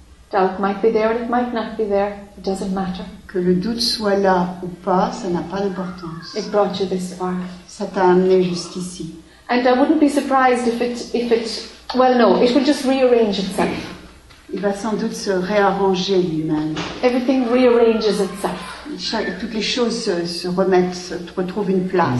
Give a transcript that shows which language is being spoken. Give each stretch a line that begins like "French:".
English: Doubt might be there, it might not be there. It doesn't matter.
French: Que le doute soit là ou pas, ça n'a pas d'importance.
English: It brought you this far.
French: Ça t'a amené jusqu'ici.
English: And I wouldn't be surprised it will just rearrange itself.
French: Il va sans doute se réarranger lui-même.
English: Everything rearranges itself.
French: Toutes les choses se remettent, se retrouvent une place.